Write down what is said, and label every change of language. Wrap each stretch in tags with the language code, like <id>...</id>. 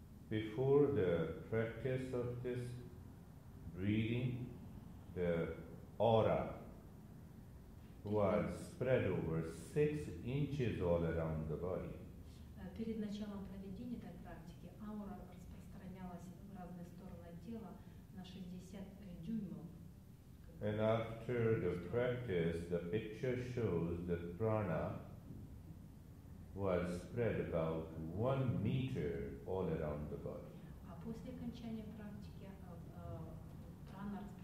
<en>Before the practice of this breathing, the aura was spread over 6 inches all around the body.</en> <ru>Перед началом проведения этой практики аура распространялась в разные стороны тела на 60 дюймов.</ru> <en>And after the practice, the picture shows that prana was spread about 1 meter all around the body.</en> <ru>А после окончания практики прана</ru>